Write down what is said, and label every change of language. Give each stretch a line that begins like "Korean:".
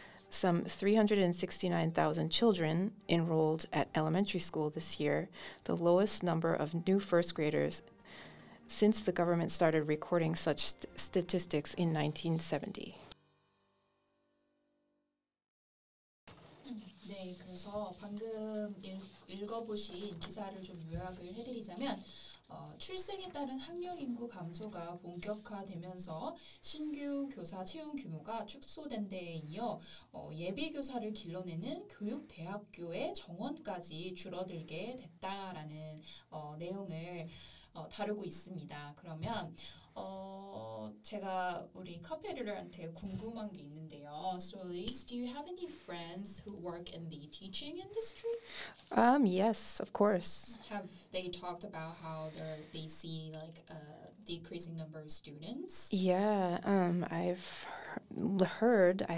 English: Some 369,000 children enrolled at elementary school this year, the lowest number of new first graders since the government started recording such statistics in 1970.
Korean: 네, 그래서 방금 읽어보신 기사를 좀 요약을 해드리자면 출생에 따른 학령 인구 감소가 본격화되면서 신규 교사 채용 규모가 축소된 데에 이어 예비 교사를 길러내는 교육 대학교의 정원까지 줄어들게 됐다라는 내용을 다루고 있습니다. 그러면 제가 우리 커피 에디터한테 궁금한 게 있는데요.
English: So, Elise, do you have any friends who work in the teaching industry? Yes, of course. Have they talked about how they see like a decreasing number of students? Yeah, I've heard.